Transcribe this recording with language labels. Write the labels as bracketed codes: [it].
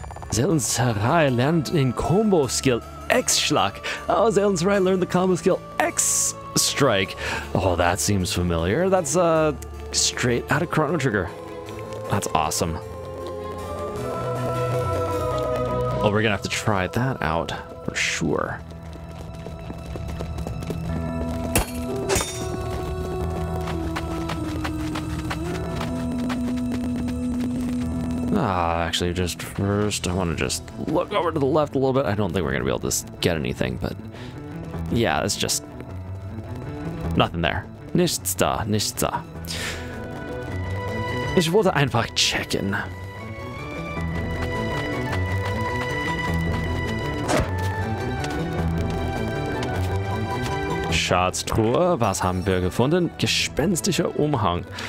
[de] Seelenserei lernt den Combo-Skill X-Schlag. Oh, Seelenserei lernt den Combo-Skill X-Strike. [en] Oh, that seems familiar. That's straight out of Chrono Trigger. That's awesome. Well, we're gonna have to try that out for sure. Actually, just first, I want to just look over to the left a little bit. I don't think we're going to be able to get anything, but yeah, it's just nothing there. [de] Nichts da, nichts da. Ich wollte einfach checken. Schatztruhe, was haben wir gefunden? Gespenstischer Umhang.